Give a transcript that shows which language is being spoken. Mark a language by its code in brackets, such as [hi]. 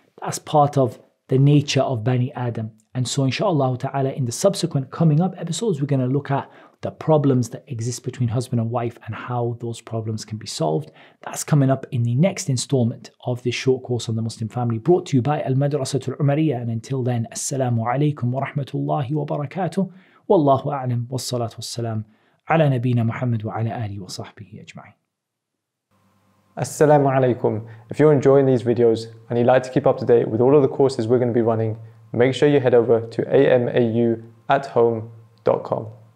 [en] That's part of the nature of Bani Adam. And so inshallah ta'ala, in the subsequent coming up episodes, we're going to look at the problems that exist between husband and wife and how those problems can be solved. That's coming up in the next installment of this short course on the Muslim family, brought to you by Al-Madrasatu Al Umariyyah. [ar] And until then, Assalamu alaikum wa rahmatullahi wa barakatuh. Wallahu a'lam wa salatu wa salam على نبينا محمد وعلى آله وصحبه أجمعين. السلام عليكم. [en] If you're enjoying these videos and you'd like to keep up to date with all of the courses we're going to be running, make sure you head over to amauathome.com.